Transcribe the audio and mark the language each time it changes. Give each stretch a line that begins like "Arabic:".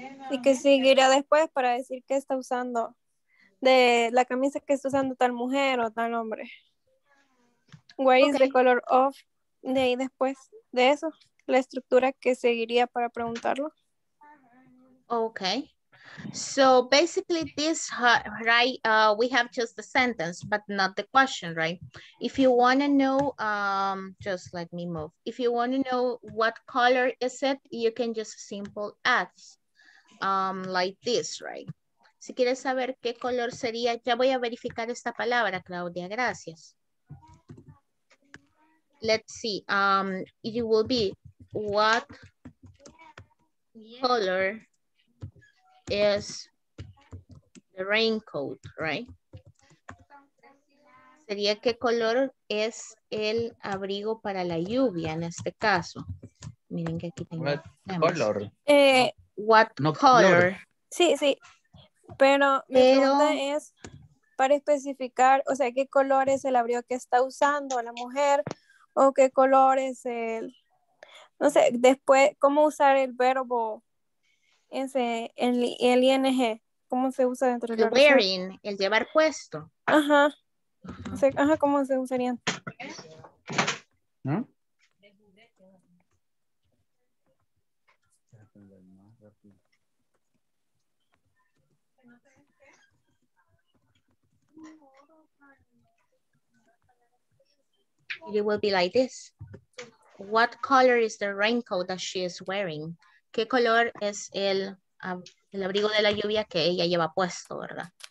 Spanish: Y que seguirá después para decir qué está usando, de la camisa que está usando tal mujer o tal hombre.
English: What is the color of...
Spanish: De ahí después de eso, la estructura que seguiría para preguntarlo.
English: Okay. So basically this, right, we have just the sentence, but not the question, right? If you want to know, just let me move. If you want to know what color is it, you can just simple ask like this, right?
Spanish: Si quieres saber qué color sería, ya voy a verificar esta palabra, Claudia, gracias.
English: Let's see, it will be, what color is the raincoat, right?
Spanish: Sería qué color es el abrigo para la lluvia en este caso. Miren que aquí tengo.
English: What color. What no color.
Spanish: Sí, sí, pero mi pregunta es para especificar, o sea, qué color es el abrigo que está usando la mujer. ¿O qué color es el...? No sé, después, ¿cómo usar el verbo ese, el ING? ¿Cómo se usa dentro del...? El wearing, el llevar puesto. Ajá. O sea, ajá, ¿cómo se usarían? ¿No?
English: It will be like this. What color is the raincoat that she is wearing?
Spanish: ¿Qué color es el abrigo de la lluvia que ella lleva puesto, verdad?